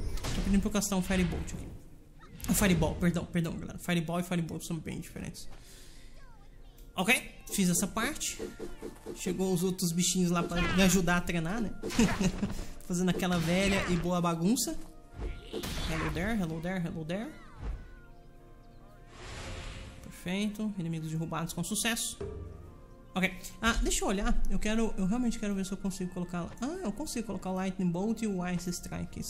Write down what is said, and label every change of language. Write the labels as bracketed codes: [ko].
[pt] Tá pedindo pra eu castar um Firebolt aqui. Fireball, perdão, galera. Fireball e Firebolt são bem diferentes. Ok, fiz essa parte. Chegou os outros bichinhos lá pra me ajudar a treinar, né? Fazendo aquela velha e boa bagunça. [en] Hello there, hello there, hello there. [pt] Perfeito, inimigos derrubados com sucesso. Ok, deixa eu olhar. Eu realmente quero ver se eu consigo colocar. Ah, eu consigo colocar o Lightning Bolt e o Ice Strike.